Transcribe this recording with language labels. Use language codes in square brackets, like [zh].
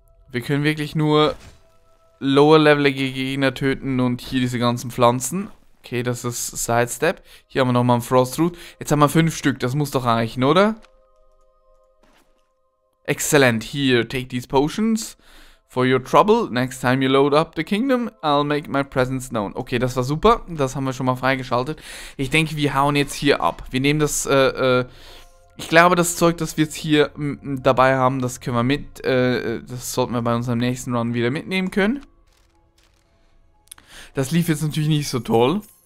[de] Wir können wirklich nur lower-levelige Gegner töten und hier diese ganzen Pflanzen. Okay, das ist Sidestep. Hier haben wir nochmal einen Frostroot. Jetzt haben wir 5 Stück, das muss doch reichen, oder? [en] Excellent, here, take these potions for your trouble. Next time you load up the kingdom, I'll make my presence known. [de] Okay, das war super, das haben wir schon mal freigeschaltet. Ich denke, wir hauen jetzt hier ab. Wir nehmen das, ich glaube, das Zeug, das wir jetzt hier dabei haben, das können wir mit, das sollten wir bei unserem nächsten Run wieder mitnehmen können. Das lief jetzt natürlich nicht so toll.